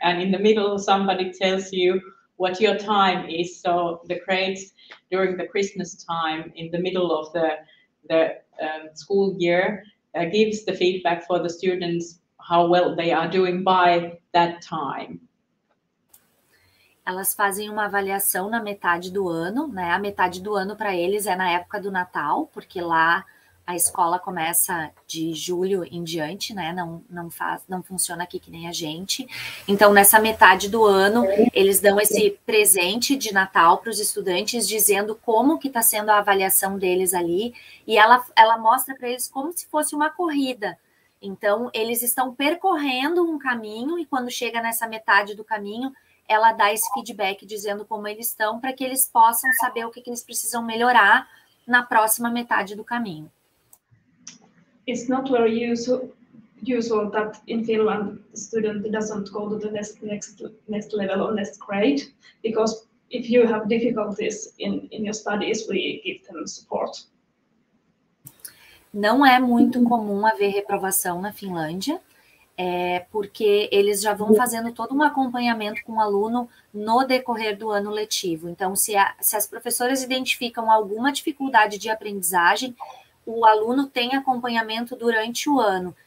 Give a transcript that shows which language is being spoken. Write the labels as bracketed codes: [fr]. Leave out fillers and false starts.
[en] And in the middle, somebody tells you what your time is. So the grades during the Christmas time, in the middle of the school year, gives the feedback for the students how well they are doing by that time. [pt] Elas fazem uma avaliação na metade do ano, né? A metade do ano para eles é na época do Natal, porque lá a escola começa de julho em diante, né? Não funciona aqui que nem a gente. Então, nessa metade do ano, eles dão esse presente de Natal para os estudantes, dizendo como que está sendo a avaliação deles ali. E ela mostra para eles como se fosse uma corrida. Então, eles estão percorrendo um caminho e quando chega nessa metade do caminho, ela dá esse feedback dizendo como eles estão para que eles possam saber o que eles precisam melhorar na próxima metade do caminho. [en] It's not very usual that in Finland the student doesn't go to the next level or next grade, because if you have difficulties in your studies, we give them support. [pt] Não é muito comum haver reprovação na Finlândia, porque eles já vão fazendo todo um acompanhamento com o aluno no decorrer do ano letivo. Então, se as professoras identificam alguma dificuldade de aprendizagem, o aluno tem acompanhamento durante o ano.